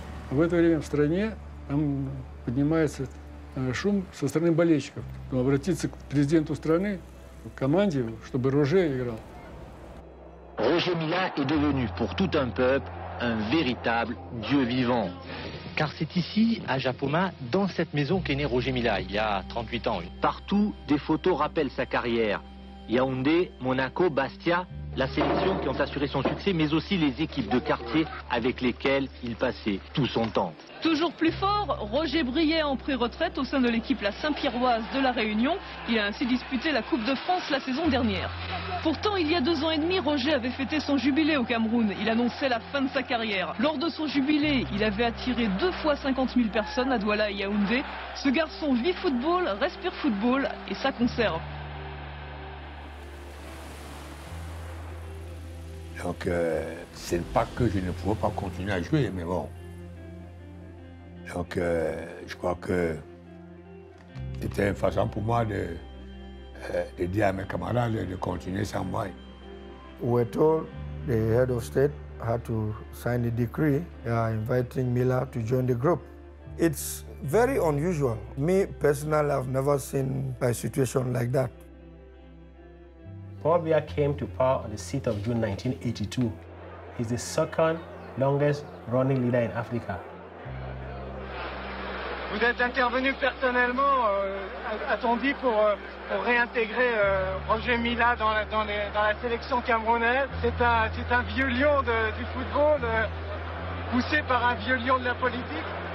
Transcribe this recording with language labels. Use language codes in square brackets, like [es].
[ru] В это время в стране там поднимается шум со стороны болельщиков. Но обратиться к президенту страны, к команде, чтобы Роже играл. [fr] Roger Milla est devenu pour tout un peuple un véritable dieu vivant. Car c'est ici, à Japoma, dans cette maison qu'est né Roger Milla, il y a 38 ans. Partout, des photos rappellent sa carrière. Yaoundé, Monaco, Bastia, la sélection qui ont assuré son succès, mais aussi les équipes de quartier avec lesquelles il passait tout son temps. Toujours plus fort, Roger brillait en pré-retraite au sein de l'équipe La Saint-Pierroise de La Réunion. Il a ainsi disputé la Coupe de France la saison dernière. Pourtant, il y a 2 ans et demi, Roger avait fêté son jubilé au Cameroun. Il annonçait la fin de sa carrière. Lors de son jubilé, il avait attiré 2 fois 50 000 personnes à Douala et Yaoundé. Ce garçon vit football, respire football et ça conserve. Donc, c'est pas que je ne pouvais pas continuer à jouer, mais bon. Donc, je crois que c'était une façon pour moi de dire à mes camarades de continuer sans moi. [en] We told the head of state had to sign a decree inviting Milla to join the group. It's very unusual. Me, personally, I've never seen a situation like that. Paul Biya came to power on the 6th of June 1982. He's the second longest running leader in Africa. [fr] Vous êtes intervenu personnellement, a-t-on dit, pour réintégrer Roger Milla dans la sélection camerounaise. C'est un vieux lion du football, poussé par un vieux lion de la politique.